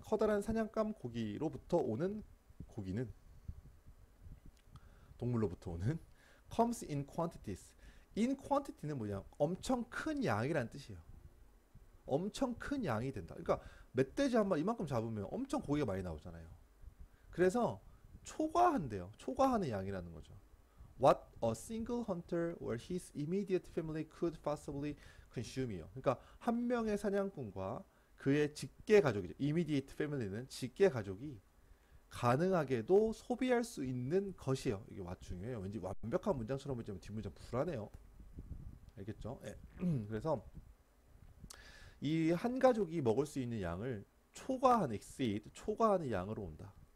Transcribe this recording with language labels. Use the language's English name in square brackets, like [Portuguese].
[Korean] 커다란 사냥감 고기로부터 오는 고기는 동물로부터 오는 [English] comes in quantities. [Korean] in quantity는 뭐냐? 엄청 큰 양이란 뜻이에요. 엄청 큰 양이 된다. 그러니까 멧돼지 한 마리 이만큼 잡으면 엄청 고기가 많이 나오잖아요. 그래서 초과한대요. 초과하는 양이라는 거죠. [English] What a single hunter or his immediate family could possibly consume이요. [Korean] 그러니까 한 명의 사냥꾼과 그의 직계 가족이죠. immediate family는 직계 가족이 가능하게도 소비할 수 있는 것이요. 이게 와 중요해요. 왠지 완벽한 문장처럼 보이지만 뒷문장 불안해요. 알겠죠? 예. 그래서 이한 가족이 먹을 수 있는 양을 초과한 exceed, 초과하는 양으로 온다.